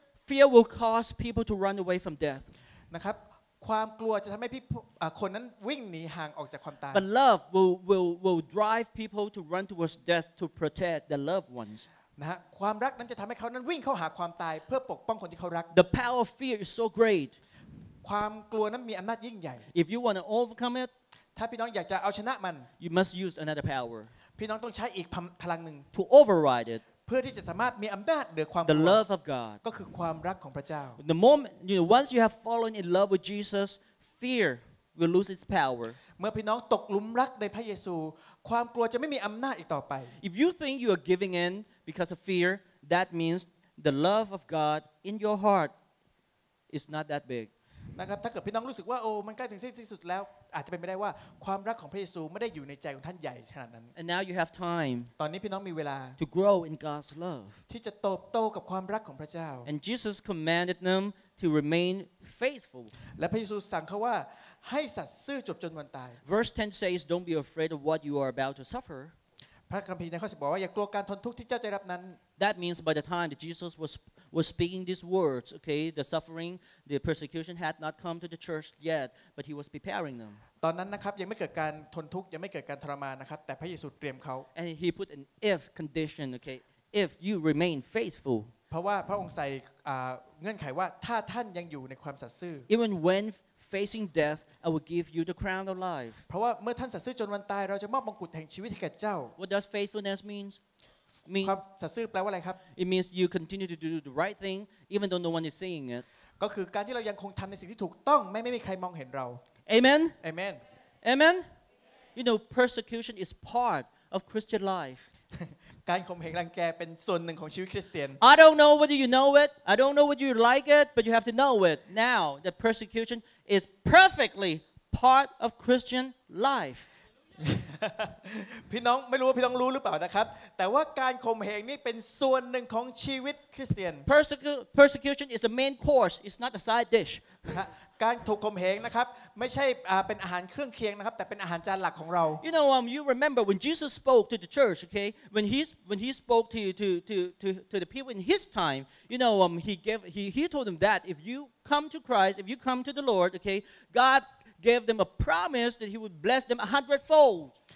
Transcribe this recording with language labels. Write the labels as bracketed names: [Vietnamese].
[English] Fear will cause people to run away from death [Thai] นะครับความกลัวจะทำให้คนนั้นวิ่งหนีห่างออกจากความตาย [English] But love will drive people to run towards death to protect their loved ones [Thai] นะฮะความรักนั้นจะทำให้เขานั้นวิ่งเข้าหาความตายเพื่อปกป้องคนที่เขารัก [English] The power of fear is so great [Thai] ความกลัวนั้นมีอำนาจยิ่งใหญ่ [English] If you want to overcome it [Thai] ถ้าพี่น้องอยากจะเอาชนะมัน [English] you must use another power [Thai] พี่น้องต้องใช้อีกพลังหนึ่ง [English] to override it [Thai] เพื่อที่จะสามารถมีอำนาจเหนือความกลั ว [English] the love of God [Thai] ก็คือความรักของพระเจ้า [English] the moment you know once you have fallen in love with Jesus fear will lose its power [Thai] เมื่อพี่น้องตกหลุมรักในพระเยซูความกลัวจะไม่มีอำนาจอีกต่อไป [English] if you think you are giving in because of fear that means the love of God in your heart is not that big [Thai] นะครับถ้าเกิดพี่น้องรู้สึกว่าโอ้มันใกล้ถึงที่สุดแล้วอาจจะเป็นไม่ได้ว่าความรักของพระเยซูไม่ได้อยู่ในใจของท่านใหญ่ขนาดนั้น [English] And now you have time [Thai] ตอนนี้พี่น้องมีเวลา [English] to grow in God's love [Thai] ที่จะโตกับความรักของพระเจ้า [English] And Jesus commanded them to remain faithful [Thai] และพระเยซูสั่งเขาว่าให้สัตย์ซื่อจบจนวันตาย [English] Verse 10 says don't be afraid of what you are about to suffer [Thai] พระคัมภีร์ในข้อ10บอกว่าอย่ากลัวการทนทุกข์ที่เจ้าจะรับนั้น [English] That means by the time that Jesus was speaking these words, okay, the suffering, the persecution had not come to the church yet, but he was preparing them. [Thai] ตอนนั้นนะครับยังไม่เกิดการทนทุกข์ยังไม่เกิดการทรมานนะครับแต่พระเยซูเตรียมเขา [English] And he put an if condition, okay, if you remain faithful. [Thai] เพราะว่าพระองค์ใส่เงื่อนไขว่าถ้าท่านยังอยู่ในความสัตย์ซื่อ [English] Even when facing death, I will give you the crown of life. [Thai] เพราะว่าเมื่อท่านสัตย์ซื่อจนวันตายเราจะมอบมงกุฎแห่งชีวิตให้แก่เจ้า [English] What does faithfulness means? [Thai] ความสัตย์ซื่อแปลว่าอะไรครับ [English] It means you continue to do the right thing even though no one is seeing it [Thai] ก็คือการที่เรายังคงทำในสิ่งที่ถูกต้องไม่มีใครมองเห็นเรา [English] Amen Amen Amen You know persecution is part of Christian life [Thai] การข่มเหงรังแกเป็นส่วนหนึ่งของชีวิตคริสเตียน [English] I don't know whether you know it I don't know whether you like it but you have to know it now that persecution is perfectly part of Christian life [Thai] พี่น้องไม่รู้ว่าพี่น้องรู้หรือเปล่านะครับแต่ว่าการข่มเหงนี่เป็นส่วนหนึ่งของชีวิตคริสเตียน [English] Persecution is a main course it's not a side dish [Thai] การถูกข่มเหงนะครับไม่ใช่เป็นอาหารเครื่องเคียงนะครับแต่เป็นอาหารจานหลักของเรา [English] You know you remember when Jesus spoke to the church okay when he spoke to the people in his time you know he told them that if you come to Christ if you come to the Lord okay GodGave them a promise that he would bless them a hundredfold.